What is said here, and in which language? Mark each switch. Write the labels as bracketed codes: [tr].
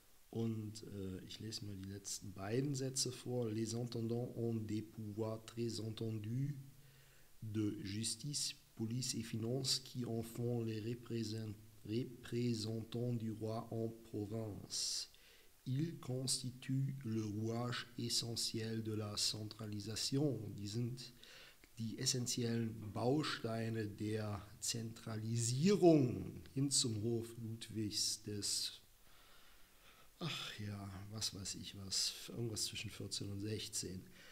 [de] Und ich lese mal die letzten beiden Sätze vor. [fr] Les intendants ont des pouvoirs très entendus de justice, police et finance qui en font les représentants du roi en province. Ils constituent le rouage essentiel de la centralisation. [de] Die sind die essentiellen Bausteine der Zentralisierung hin zum Hof Ludwigs des, ach ja, was weiß ich was, irgendwas zwischen 14 und 16.